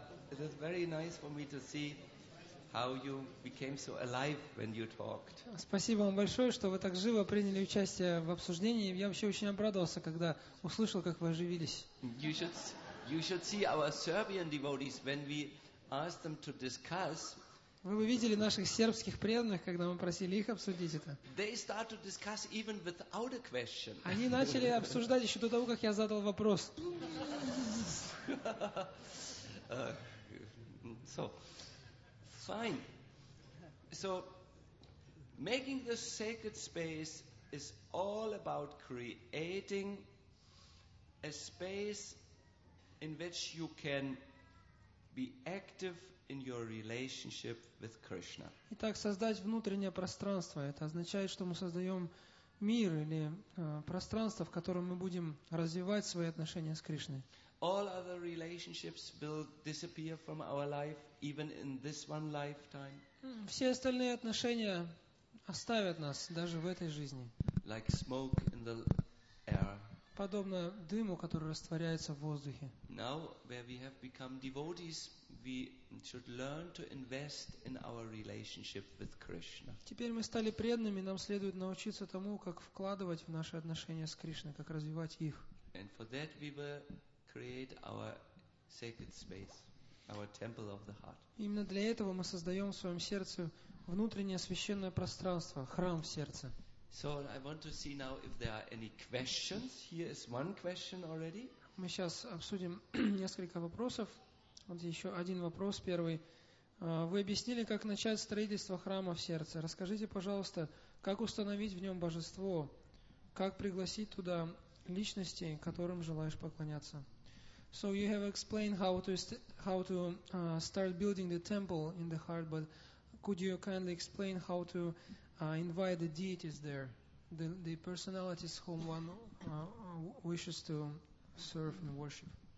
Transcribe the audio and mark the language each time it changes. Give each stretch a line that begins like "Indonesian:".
English: It is very nice for me to see how you became so alive when you talked.
Russian: Спасибо вам большое, что вы так живо приняли участие в обсуждении. Я вообще очень обрадовался, когда услышал, как вы оживились.
English: You should see our Serbian devotees when we asked them to discuss.
Russian: Вы бы видели наших сербских преданных, когда мы просили их обсудить это.
English: They start to discuss even without a question.
Russian: Они начали обсуждать еще до того, как я задал вопрос.
English: So, fine. So, making the sacred space is all about creating a space in which you can be active in your relationship with Krishna.
Russian: Итак, создать внутреннее пространство это означает, что мы создаём мир или пространство, в котором мы будем развивать свои отношения с Кришной.
English: All other relationships will disappear from our life even in this one lifetime.
Russian: Все остальные отношения оставят нас даже в этой жизни.
English: Like smoke in the air.
Russian: Подобно дыму, который растворяется в воздухе.
English: Now, where we have become devotees, we should learn to invest in our relationship with Krishna.
Russian: Теперь мы стали преданными, нам следует научиться тому, как вкладывать в наши отношения с Кришной, как развивать их.
English: And for that we will create our sacred space, our temple of the heart.
Russian: Именно для этого мы создаем в своем сердце внутреннее священное пространство, храм в сердце.
English: So I want to see now if there are any questions. Here is one question already.
Russian: Мы сейчас обсудим несколько вопросов. Вот еще один вопрос, первый. Вы объяснили, как начать строительство храма в сердце. Расскажите, пожалуйста, как установить в нем божество, как пригласить туда личности, которым желаешь поклоняться.
English: So you have explained how to start building the temple in the heart, but could you kindly explain how to invite the deities there, the personalities whom one wishes to serve and worship.